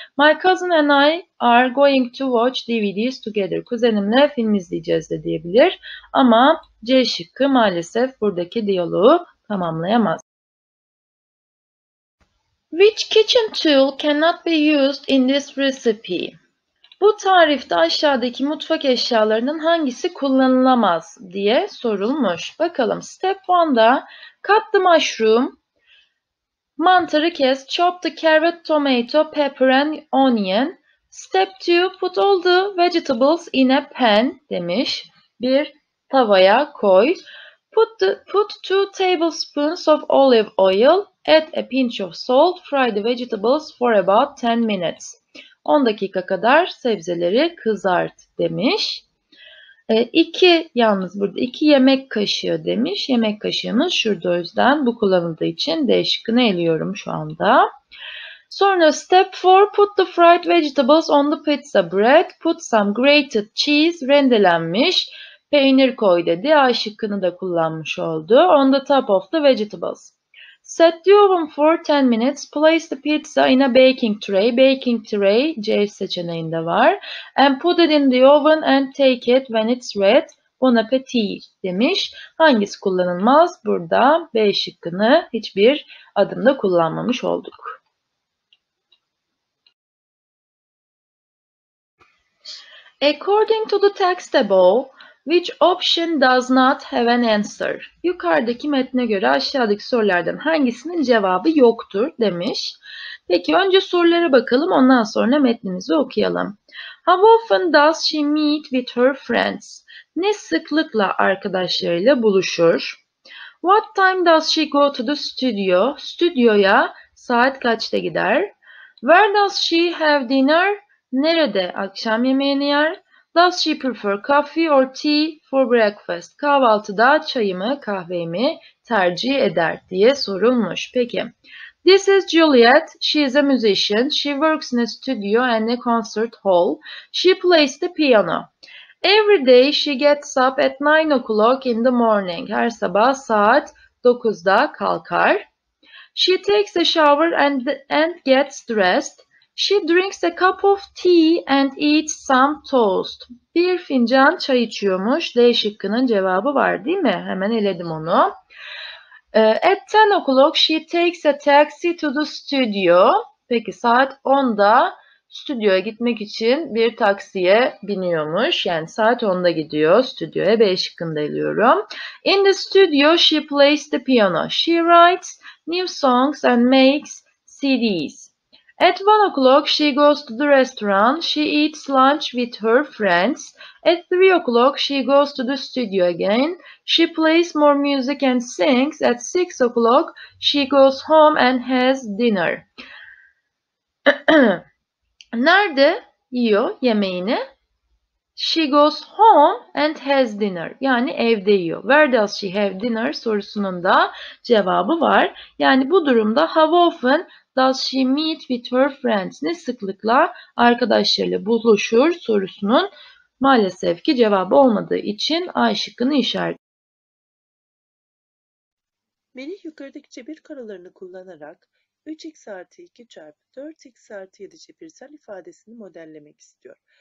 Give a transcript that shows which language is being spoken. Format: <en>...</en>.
<en>My cousin and I are going to watch DVDs together.</en> <tr>Kuzenimle film izleyeceğiz de diyebilir. Ama C şıkkı maalesef buradaki diyaloğu tamamlayamaz.</tr> <en>Which kitchen tool cannot be used in this recipe?</en> <tr>Bu tarifte aşağıdaki mutfak eşyalarının hangisi kullanılamaz diye sorulmuş.</tr> <en>Bakalım. Step 1'da cut the mushroom,</en> <tr>mantarı kes,</tr> <en>chop the carrot, tomato, pepper and onion. Step 2, put all the vegetables in a pan demiş.</en> <tr>Bir tavaya koy.</tr> <en>Put 2 tablespoons of olive oil. Add a pinch of salt, fry the vegetables for about 10 minutes.</en> <tr>10 dakika kadar sebzeleri kızart demiş. 2 yalnız burada 2 yemek kaşığı demiş. Yemek kaşığımız şurada o yüzden bu kullanıldığı için D şıkkını eliyorum şu anda.</tr> <en>Sonra step 4, put the fried vegetables on the pizza bread. Put some grated cheese,</en> <tr>rendelenmiş peynir koy dedi. A şıkkını da kullanmış oldu.</tr> <en>On the top of the vegetables. Set the oven for 10 minutes. Place the pizza in a baking tray.</en> <tr>Baking tray C seçeneğinde var.</tr> <en>And put it in the oven and take it when it's red. Bon appétit demiş.</en> <tr>Hangisi kullanılmaz? Burada B şıkkını hiçbir adımda kullanmamış olduk.</tr> <en>According to the text above, which option does not have an answer?</en> <tr>Yukarıdaki metne göre aşağıdaki sorulardan hangisinin cevabı yoktur demiş. Peki önce sorulara bakalım, ondan sonra metnimizi okuyalım.</tr> <en>How often does she meet with her friends?</en> <tr>Ne sıklıkla arkadaşlarıyla buluşur?</tr> <en>What time does she go to the studio?</en> <tr>Stüdyoya saat kaçta gider?</tr> <en>Where does she have dinner?</en> <tr>Nerede akşam yemeğini yer?</tr> <en>Does she prefer coffee or tea for breakfast?</en> <tr>Kahvaltıda çay mı kahve mi tercih eder diye sorulmuş.</tr> <en>Peki. This is Juliet. She is a musician. She works in a studio and a concert hall. She plays the piano. Every day she gets up at 9 o'clock in the morning.</en> <tr>Her sabah saat 9'da kalkar.</tr> <en>She takes a shower and gets dressed. She drinks a cup of tea and eats some toast.</en> <tr>Bir fincan çay içiyormuş. D şıkkının cevabı var değil mi? Hemen eledim onu.</tr> <en>At 10 o'clock she takes a taxi to the studio.</en> <tr>Peki saat 10'da stüdyoya gitmek için bir taksiye biniyormuş. Yani saat 10'da gidiyor stüdyoya. B şıkkında eliyorum.</tr> <en>In the studio she plays the piano. She writes new songs and makes CDs. At 1 o'clock she goes to the restaurant. She eats lunch with her friends. At 3 o'clock she goes to the studio again. She plays more music and sings. At 6 o'clock she goes home and has dinner.</en> <tr>Nerede yiyor yemeğini?</tr> <en>She goes home and has dinner.</en> <tr>Yani evde yiyor.</tr> <en>Where does she have dinner</en> <tr>sorusunun da cevabı var. Yani bu durumda</tr> <en>how often does she meet with her friends?</en> <tr>Ne sıklıkla arkadaşlarıyla buluşur sorusunun maalesef ki cevabı olmadığı için A şıkkını işaretliyor. Yukarıdaki cebir karalarını kullanarak 3x artı 2 çarpı 4x artı 7 cebirsel ifadesini modellemek istiyor.</tr>